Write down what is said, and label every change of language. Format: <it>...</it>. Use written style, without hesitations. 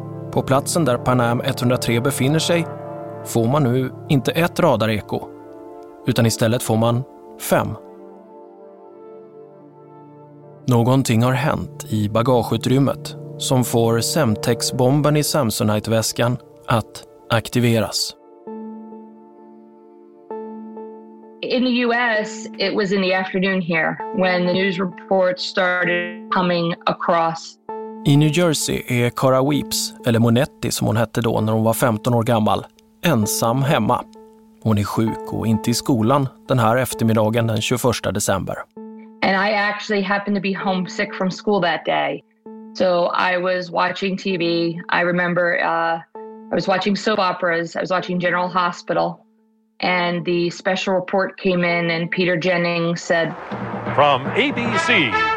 <sv>På platsen där Pan Am 103 befinner sig får man nu inte ett radareko, utan istället får man fem. Någonting har hänt i bagageutrymmet som får Semtex-bomben i Samsonite-väskan att aktiveras.</sv> <en>In the US, it was in the afternoon here when the news reports started coming across.</en> <sv>I New Jersey är Cara Weeps, eller Monetti som hon hette då när hon var 15 år gammal, ensam hemma. Hon är sjuk och inte i skolan den här eftermiddagen den 21 december.</sv> <en>And I actually happened to be homesick from school that day. So I was watching TV. I remember I was watching soap operas. I was watching General Hospital. And the special report came in and Peter Jennings said, from ABC.</en>